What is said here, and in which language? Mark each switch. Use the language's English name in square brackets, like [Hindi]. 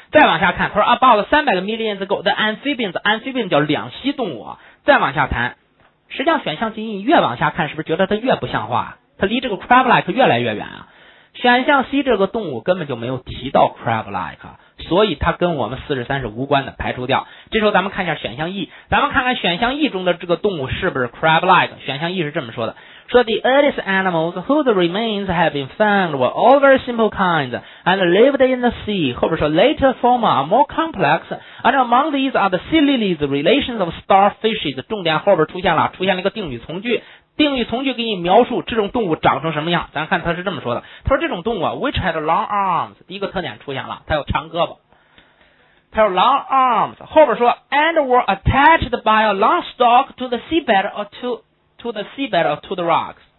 [Chinese] 再往下看，他说 [English] about 300 million ago the amphibians [Chinese] 叫两栖动物。再往下谈，实际上选项 C 你越往下看，是不是觉得它越不像话？它离这个 crab-like 越来越远啊。选项 C 这个动物根本就没有提到 crab-like。所以它跟我们43是无关的，排除掉。这时候咱们看一下选项 E， 咱们看看选项 E 中的这个动物是不是 crab-like。选项 E 是这么说的，说 [English] The earliest animals whose remains have been found were all very simple kinds and lived in the sea， [Chinese] 后边说 [English] later form are more complex and among these are the sea lilies relations of starfishes。 [Chinese] 重点后边出现了一个定语从句，定语从句给你描述这种动物长成什么样。咱看他是这么说的，他说这种动物 [English] which had long arms， [Chinese] 第一个特点出现了，它有长胳膊，它有 long arms， 后边说 [English] and were attached by a long stalk to the seabed or to the rocks。